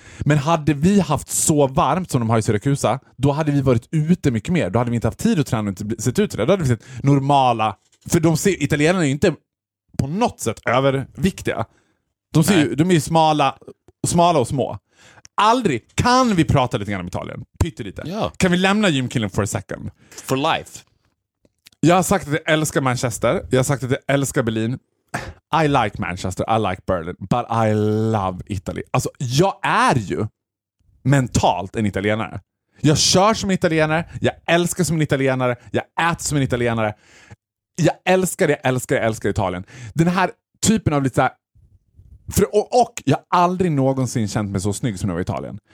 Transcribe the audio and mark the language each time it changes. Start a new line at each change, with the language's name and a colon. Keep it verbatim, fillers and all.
Swedish: Men hade vi haft så varmt som de har i Syracuse, då hade vi varit ute mycket mer. Då hade vi inte haft tid att träna och inte sett ut till det. Då hade vi sett normala, för de ser, italienarna är ju inte på något sätt överviktiga. De ser ju, de är ju smala, smala och små. Aldrig, kan vi prata lite grann om Italien? Pyttelite. Ja. Kan vi lämna gymkillen
English: for a second? For life.
Swedish: Jag har sagt att jag älskar Manchester. Jag har sagt att jag älskar Berlin.
English: I like Manchester, I like Berlin, but I love Italy.
Swedish: Alltså, jag är ju mentalt en italienare. Jag kör som en italienare, jag älskar som en italienare, jag äter som en italienare. Jag älskar det, älskar det, älskar Italien. Den här typen av lite så här, för, och, och jag har aldrig någonsin känt mig så snygg som när jag var i Italien.